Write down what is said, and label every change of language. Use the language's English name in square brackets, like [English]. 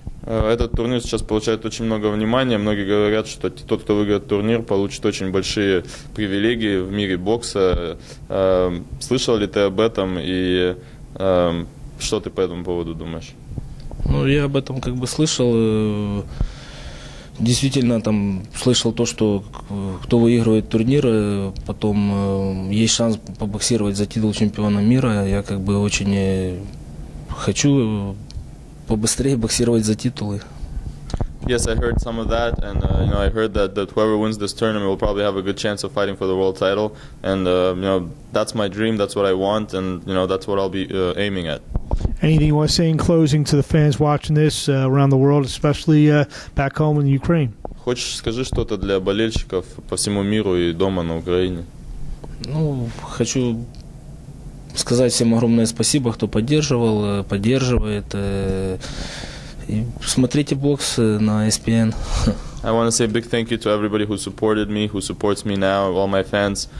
[Russian] Этот турнир сейчас получает очень много внимания. Многие говорят, что тот, кто выиграет турнир, получит очень большие привилегии в мире бокса. Слышал ли ты об этом и что ты по этому поводу думаешь? Ну, я об этом как бы слышал. Действительно, там слышал то, что кто выигрывает турниры, потом есть шанс побоксировать за титул чемпиона мира. Я как бы очень хочу побыстрее боксировать за титулы. [English] Yes, I heard some of that, and you know, I heard that whoever wins this tournament will probably have a good chance of fighting for the world title, and you know, that's my dream, that's what I want, and you know, that's what I'll be aiming at. Anything you want to say in closing to the fans watching this around the world, especially back home in Ukraine? [Russian] Хочешь скажи что-то для болельщиков по всему миру и дома на Украине? Ну, хочу сказать всем огромное спасибо, кто поддерживал, поддерживает. Смотрите бокс на ESPN. [English] I want to say a big thank you to everybody who supported me, who supports me now, all my fans.